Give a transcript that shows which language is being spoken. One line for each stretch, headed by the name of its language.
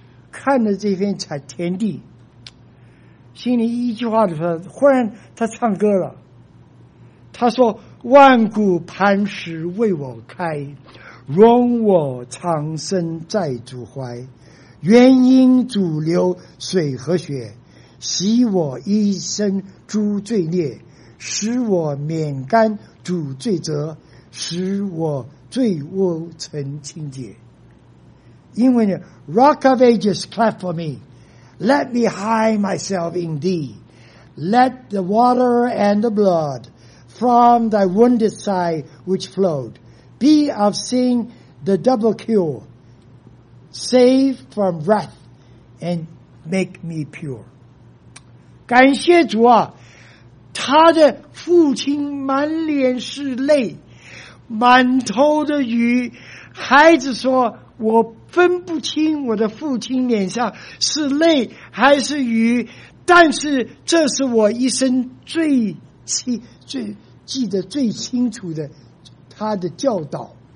Chinese: 看着这片田地，心里一句话的时候，忽然他唱歌了，他说万古磐石为我开，容我长生在主怀，原因主流水和血，洗我一身诸罪孽，使我免干主罪责，使我罪恶成清洁。因为呢
English: Rock of ages clap for me, Let me hide myself in thee, Let the water and the blood From thy wounded side which flowed Be of sin the double cure, Save from wrath and make me pure。
Chinese: 感谢主啊，他的父亲满脸是泪，满头的雨，孩子说我分不清我的父亲脸上是泪还是雨，但是这是我一生最记得最清楚的他的教导。